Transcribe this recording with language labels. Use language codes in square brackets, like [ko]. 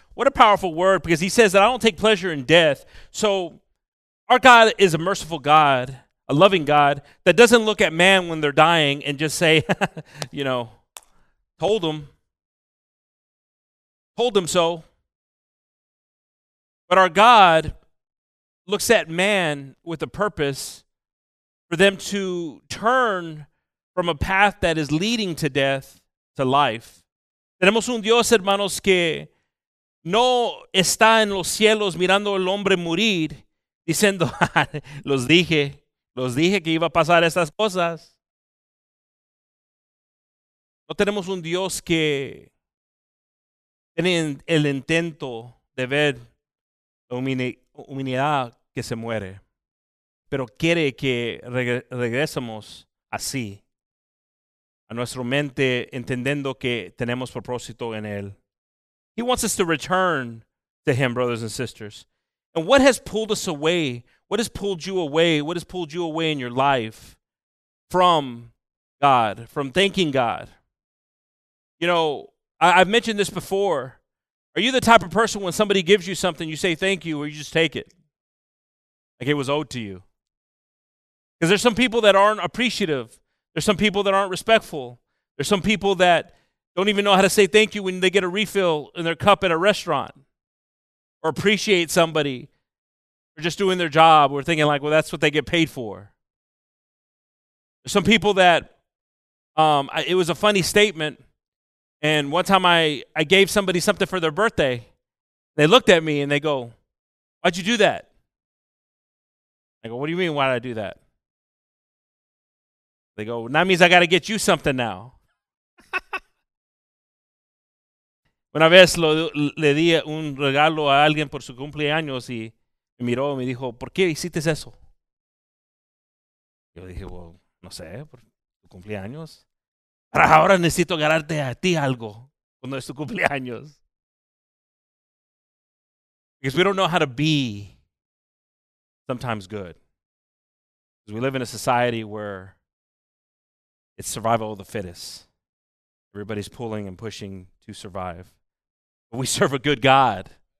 [en] What a powerful word, because he says that I don't take pleasure in death. So our God is a merciful God, a loving God, that doesn't look at man when they're dying and just say, you know, told them. Told them so. But our God looks at man with a purpose for them to turn from a path that is leading to death to life. [es] Tenemos un Dios, hermanos, que no está en los cielos mirando al hombre morir, diciendo, los dije que iba a pasar estas cosas. No tenemos un Dios que tiene el intento de ver la humanidad que se muere, pero quiere que regresemos así, a nuestra mente, entendiendo que tenemos propósito en Él. [en] He wants us to return to Him, brothers and sisters. And what has pulled us away? What has pulled you away? What has pulled you away in your life from God, from thanking God? You know, I've mentioned this before. Are you the type of person when somebody gives you something, you say thank you, or you just take it? Like it was owed to you? Because there's some people that aren't appreciative. There's some people that aren't respectful. There's some people that don't even know how to say thank you when they get a refill in their cup at a restaurant, or appreciate somebody for just doing their job, or thinking like, well, that's what they get paid for. There's some people that, it was a funny statement, and one time I gave somebody something for their birthday. They looked at me and they go, why'd you do that? I go, what do you mean, why did I do that? They go, well, that means I got to get you something now. [es] Una vez le di un regalo a alguien por su cumpleaños y me miró y me dijo, ¿por qué hiciste eso? Yo dije, well, no sé, por tu cumpleaños. Pero ahora necesito ganarte a ti algo cuando es tu cumpleaños. [en] Because we don't know how to be sometimes good. Because we live in a society where it's survival of the fittest. Everybody's pulling and pushing to survive. But we serve a good God.